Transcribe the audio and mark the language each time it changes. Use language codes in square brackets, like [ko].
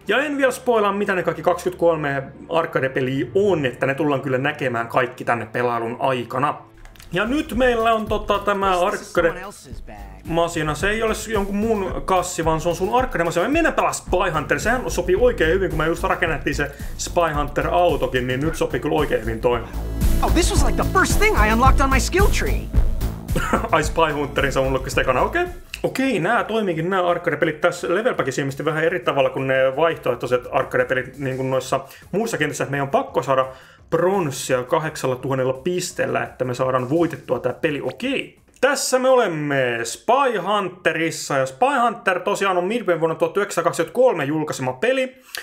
[fi] Ja en vielä spoilaa, mitä ne kaikki 23 arcade-peliä on, että ne tullaan kyllä näkemään kaikki tänne pelailun aikana. Ja nyt meillä on tämä arcade-masina. Se ei ole jonkun mun kassi, vaan se on sun arcade-masina. Me mennään pelaa Spy Hunter. Sehän sopii oikein hyvin, kun me just rakennettiin se Spy Hunter-autokin, niin nyt sopii kyllä oikein hyvin toi. [en] Oh, this was like the first thing I unlocked on my skill tree. [fi] Ai Spy Hunterin sä unlockisit ekana, okei. Okei, nää toimiikin nää arcade-pelit tässä level packissa ilmeisesti vähän eri tavalla kuin ne vaihtoehtoiset arcade-pelit niin kuin noissa muissa kentissä, että meidän on pakko saada bronssia 8000 pisteellä, että me saadaan voitettua tää peli. Okei. Tässä me olemme Spy Hunterissa, ja Spy Hunter tosiaan on Midway vuonna 1923 julkaisema peli.